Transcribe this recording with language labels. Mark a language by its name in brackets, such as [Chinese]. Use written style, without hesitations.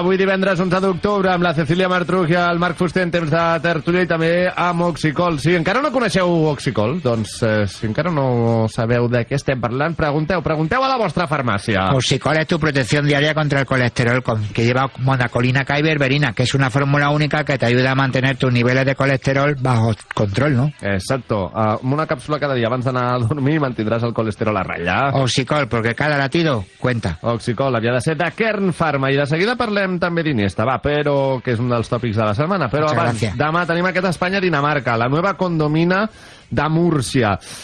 [Catalan] Avui divendres 11 d'octubre amb la Cecília Martrugia, el Marc Fuster en temps de tertulia i també amb Oxicol. Si encara no coneixeu Oxicol, doncs si encara no sabeu de què estem parlant, pregunteu a la vostra farmàcia. [Spanish] Oxicol es tu [Catalan] protecció diària [Spanish] contra el colesterol, que lleva monacolina K y berberina, que es una fórmula única que te ayuda a mantener tus niveles de colesterol bajo control, ¿no? Exacto. [Catalan] Una cápsula cada dia abans d'anar a dormir mantindràs el colesterol a ratlla. [Spanish] Oxicol, porque cada latido cuenta. [Catalan] Oxicol havia de ser de Kern Pharma i de seguida parlem també d'Iniesta, va, però que és un dels tòpics de la setmana, però [Spanish] muchas [Catalan] abans [Spanish] gracias. [Catalan] Demà tenim aquest Espanya-Dinamarca, la nova condomina de Múrcia.